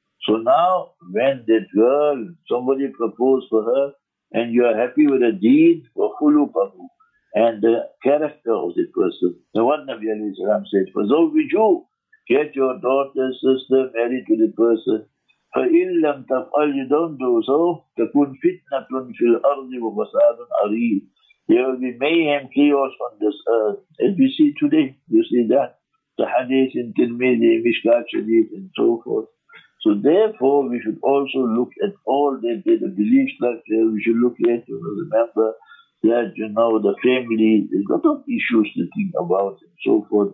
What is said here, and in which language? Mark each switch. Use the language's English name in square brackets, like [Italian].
[English] So now, when that girl, somebody proposed for her, and you are happy with a deed, وَخُلُقَهُ, and the character of the person. So what Nabi alayhi salam says, [Arabic] فَزَوْجُوا, [English] get your daughter, sister, married to the person. [Arabic] فَإِن لَمْ تَفْعَلْ, [English] you don't do so, [Arabic] تَكُنْ فِتْنَةٌ فِي الْأَرْضِ وَفَسَادٌ عَرِيمٌ. [English] There will be mayhem, chaos on this earth. As we see today, you see that. The hadith in Tirmidhi, Mishkat Sharif, and so forth. So therefore, we should also look at all the belief structure. We should look at, you know, remember that, you know, the family, there's a lot of issues to think about and so forth.